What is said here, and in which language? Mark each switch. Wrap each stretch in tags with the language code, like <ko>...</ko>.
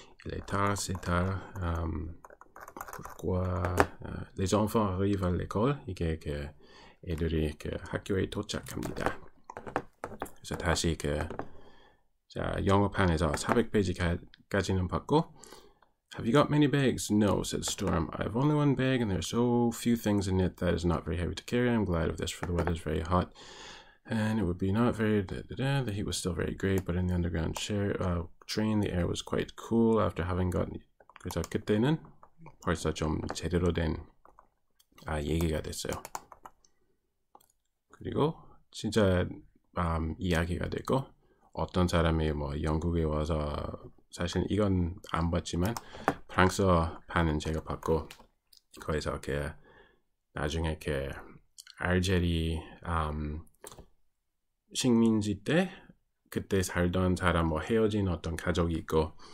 <fr>Il est tard, c'est tard. Pourquoi les enfants arrivent à l'école?</fr> <ko>이게 그 애들이 그 학교에 도착합니다. 그래서 다시 영어판에서 400페이지까지는 봤고.</ko> <en>Have you got many bags? No, said Storm. I have only one bag, and there are so few things in it that is not very heavy to carry. I'm glad of this, for the weather is very hot. And it would be not very da, da, da. The heat was still very great, but in the underground train, the air was quite cool after having gotten.</en> <ko>그래서 그때는 벌써 좀 제대로 된 얘기가 됐어요. 그리고 진짜 이야기가 되고 어떤 사람이 뭐 영국에 와서 사실 이건 안 봤지만 프랑스어 반은 제가 봤고 거기서 이렇게 나중에 이렇게 알제리 식민지 때 그때 살던 사람 뭐 헤어진 어떤 가족이 있고</ko>